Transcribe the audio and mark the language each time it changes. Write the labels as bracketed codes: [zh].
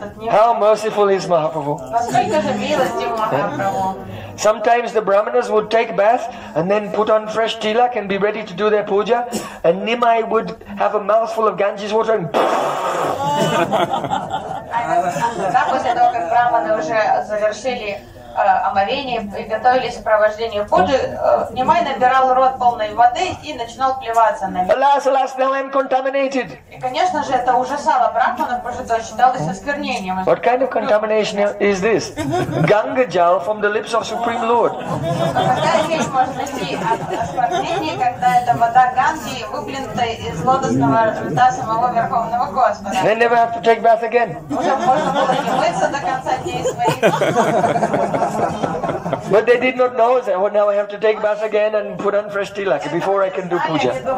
[en] How merciful is Mahaprabhu? Sometimes the brahmanas would take bath and then put on fresh tilak and be ready to do their puja, and Nimai would have a mouthful of Ganges water and [ru] после того, как брахманы уже завершили омовение и готовили сопровождение Пуджи, Нимай набирал рот полной воды и начинал плеваться на меня. [en] Alas, now I'm contaminated. [ru] И, конечно же, это ужасало Брахмана, потому что считалось осквернением. [en] What kind of contamination is this? Ganga jal from the lips of Supreme Lord. [ru] Какая вещь может найти осквернение, когда эта вода Ганги выплюнута из лотосного рта самого Верховного Господа? [en] They never have to take bath again. [ru] Уже можно было не мыться до конца дней своих. [en] But they did not know that, well, now I have to take bath again and put on fresh tilak before I can do puja.